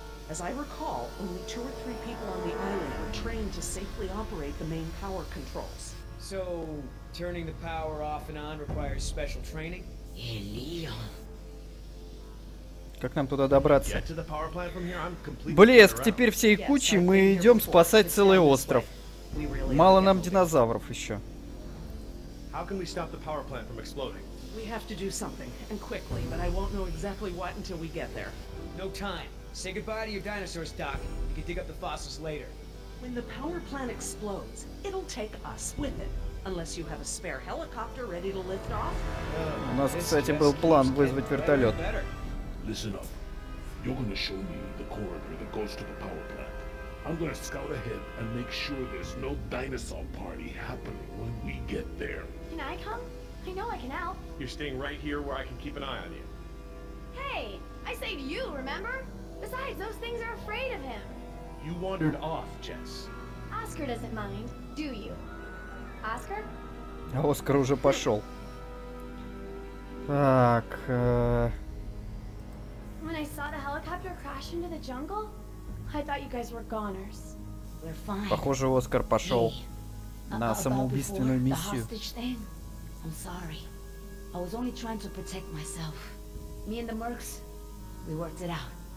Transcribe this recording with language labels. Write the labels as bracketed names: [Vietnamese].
[English] As I recall, only two or three people on the island were trained to safely operate the main power controls. So, turning the power off and on requires special training? Ильон. [Russian] Как нам туда добраться? [English] Get to the power plant from here, I'm completely [Russian] Блеск, теперь всей кучи, мы идем спасать целый остров. Мало нам динозавров еще. [English] How can we stop the power plant from exploding? We have to do something, and quickly, but I won't know exactly what until we get there. No time. Say goodbye to your dinosaurs, Doc. You can dig up the fossils later. When the power plant explodes, it'll take us with it. Unless you have a spare helicopter ready to lift off. [Russian] У нас, кстати, был план вызвать вертолет. [English] Listen up. You're gonna show me the corridor that goes to the power plant. I'm gonna scout ahead and make sure there's no dinosaur party happening when we get there. Can I come? I know I can help. You're staying right here where I can keep an eye on you. Hey, I saved you, remember? Besides, those things are afraid of him. You wandered off, Jess. Oscar doesn't mind, do you? Oscar? [Russian] А Оскар уже пошел. Так. [English] When I saw the helicopter crash into the jungle, I thought you guys were goners. We're fine. [Russian] Похоже, Оскар пошел на самоубийственную миссию. [English] I'm sorry. I was only trying to protect myself. Me and the Mercs, we worked it out.